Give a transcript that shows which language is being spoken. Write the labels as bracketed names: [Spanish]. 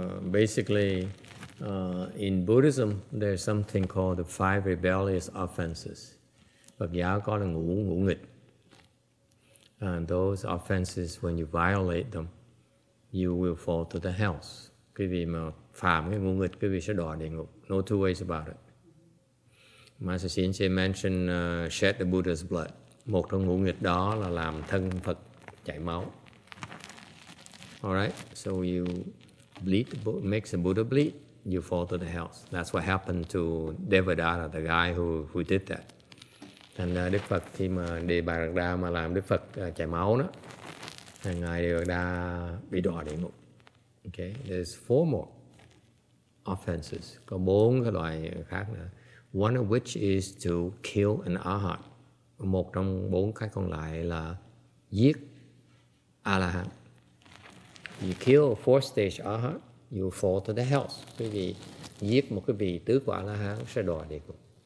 [English] Basically, in Buddhism, there's something called the five rebellious offenses. [Vietnamese] Phật giáo có là ngũ nghịch. [English] And those offenses, when you violate them, you will fall to the hells. [Vietnamese] Quý vị mà phạm cái ngũ nghịch, quý vị sẽ đọa địa ngục. [English] No two ways about it. Master Shin Che mentioned shed the Buddha's blood. [Vietnamese] Một trong ngũ nghịch đó là làm thân Phật chảy máu. [English] All right, so you bleed, makes a Buddha bleed, you fall to the hells. That's what happened to Devadatta, the guy who did that. [Vietnamese] Thành ra Đức Phật khi mà Đề Bà Đạt Đa mà làm Đức Phật chảy máu đó, thì Ngài Đề Bà Đạt Đa bị đọa địa ngục. [English] Okay, there's four more offenses. [Vietnamese] Có bốn cái loại khác nữa. [English] One of which is to kill an arhat. [Vietnamese] Một trong bốn cái còn lại là giết A-la-hán. [English] You kill a four-stage arhat, you fall to the hells. [Vietnamese] Quý vị giết một cái vị tứ của A-la-hán sẽ đọa địa ngục.